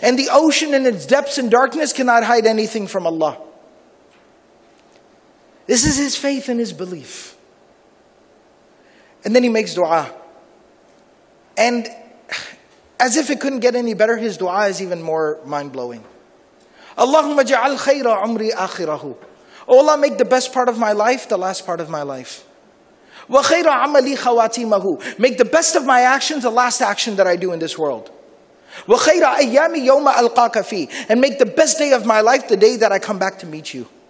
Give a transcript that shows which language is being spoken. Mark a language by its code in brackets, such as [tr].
[en] And the ocean in its depths and darkness cannot hide anything from Allah. This is his faith and his belief. And then he makes dua. And as if it couldn't get any better, his dua is even more mind-blowing. [ar] اللهم اجعل خير عمري آخره. [en] Oh Allah, make the best part of my life the last part of my life. [ar] وَخَيْرَ عَمَلِي خَوَاتِيمَهُ. [en] Make the best of my actions the last action that I do in this world. [ar] وَخَيْرَ أَيَّامِ يَوْمَ أَلْقَاكَ فِي. [en] And make the best day of my life the day that I come back to meet you.